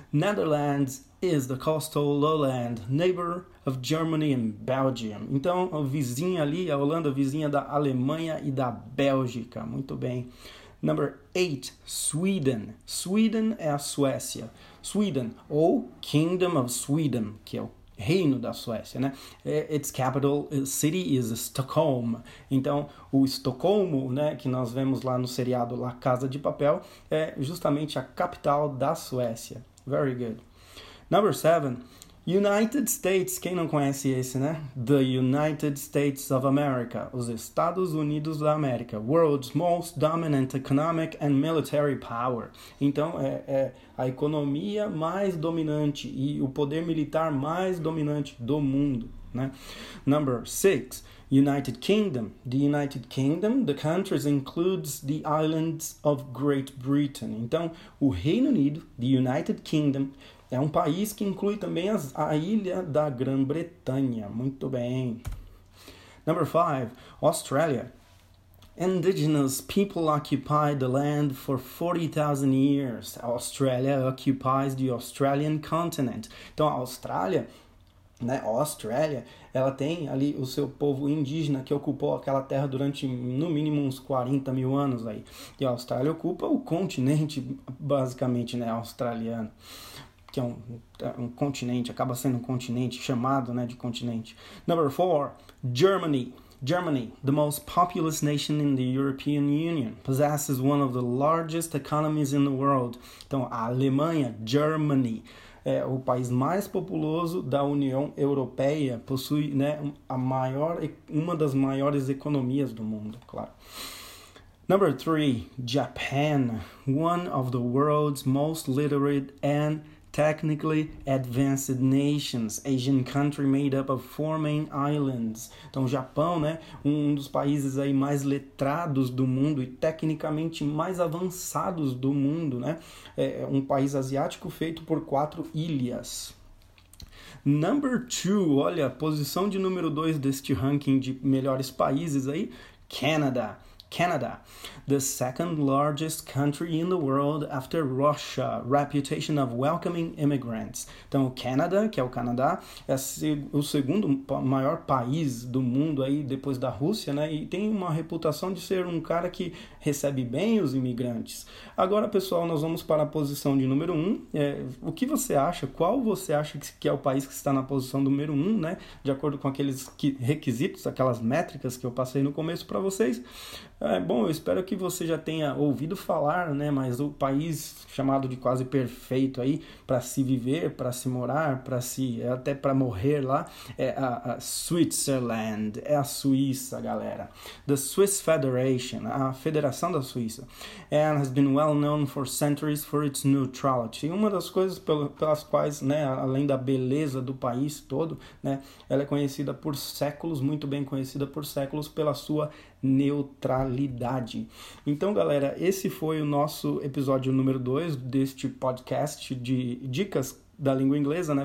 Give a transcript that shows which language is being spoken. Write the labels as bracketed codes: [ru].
[en] Netherlands is the coastal lowland, neighbor of Germany and Belgium. [pt] Então, a vizinha ali, a Holanda, a vizinha da Alemanha e da Bélgica, muito bem. [en] Number 8, Sweden. Sweden [pt] é a Suécia. Sweden, ou Kingdom of Sweden, que é o Reino da Suécia, né? [en] Its capital city is Stockholm. [pt] Então, o Estocolmo, né, que nós vemos lá no seriado La Casa de Papel, é justamente a capital da Suécia. [en] Very good. Number 7, United States. [pt] Quem não conhece esse, né? The United States of America. Os Estados Unidos da América. [en] World's most dominant economic and military power. [pt] Então, é a economia mais dominante e o poder militar mais dominante do mundo, né? [en] Number 6, United Kingdom. The United Kingdom, the country includes the islands of Great Britain. [pt] Então, o Reino Unido, the United Kingdom, é um país que inclui também a ilha da Grã-Bretanha. Muito bem. [en] Number 5, Australia. Indigenous people occupied the land for 40,000 years. Australia occupies the Australian continent. [pt] Então, a Austrália né, Austrália, ela tem ali o seu povo indígena que ocupou aquela terra durante no mínimo uns 40 mil anos aí. E a Austrália ocupa o continente, basicamente, né, australiano, que é um continente, acaba sendo um continente chamado, né, de continente. [en] Number four, Germany. Germany, the most populous nation in the European Union, possesses one of the largest economies in the world. [pt] Então, a Alemanha, Germany, é o país mais populoso da União Europeia, possui, né, uma das maiores economias do mundo, claro. [en] Number three, Japan, one of the world's most literate and technically advanced nations, Asian country made up of four main islands. [pt] Então, Japão, né, um dos países aí mais letrados do mundo e tecnicamente mais avançados do mundo, né? É um país asiático feito por quatro ilhas. [en] Number two, [pt] olha, posição de número dois deste ranking de melhores países aí, Canadá. [en] Canada, the second largest country in the world after Russia, reputation of welcoming immigrants. [pt] Então, o Canadá, que é o Canadá, é o segundo maior país do mundo aí depois da Rússia, né? E tem uma reputação de ser um cara que recebe bem os imigrantes. Agora, pessoal, nós vamos para a posição de número um. O que você acha? Qual você acha que é o país que está na posição número um, né? De acordo com aqueles requisitos, aquelas métricas que eu passei no começo para vocês. Bom, eu espero que você já tenha ouvido falar, né, mas o país chamado de quase perfeito aí para se viver, para se morar, para se até para morrer lá é a Switzerland, é a Suíça, galera. The Swiss Federation, a Federação da Suíça. [en] And has been well known for centuries for its neutrality. [pt] Uma das coisas pelas quais, né, além da beleza do país todo, né, ela é conhecida por séculos, muito bem conhecida por séculos pela sua neutralidade. Então, galera, esse foi o nosso episódio número 2 deste podcast de dicas da língua inglesa, né?